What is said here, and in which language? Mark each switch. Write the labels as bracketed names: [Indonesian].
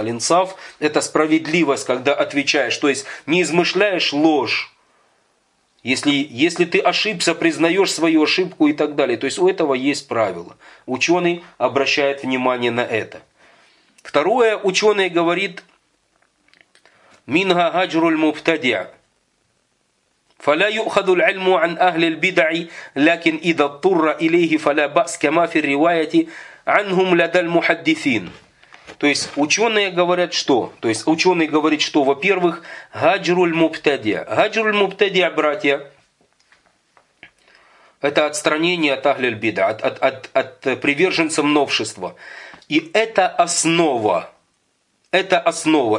[Russian] Алинсаф – это справедливость, когда отвечаешь. То есть не измышляешь ложь. Если ты ошибся, признаешь свою ошибку и так далее. То есть у этого есть правило. Ученый обращает внимание на это. Второе, ученый говорит [Arabic] «Минга гаджруль муфтадиа». فلا يؤخذ العلم عن أهل البدع لكن إذا اضطر إليه فلا بأس كما في الرواية عنهم لدى المحدثين. [Russian] То есть ученые говорят что? То есть ученый говорит что? Во-первых, гаджруль мубтадия. Гаджруль мубтадия, братья, это отстранение от ахли аль-бида, от приверженцев новшества. И это основа. Это основа.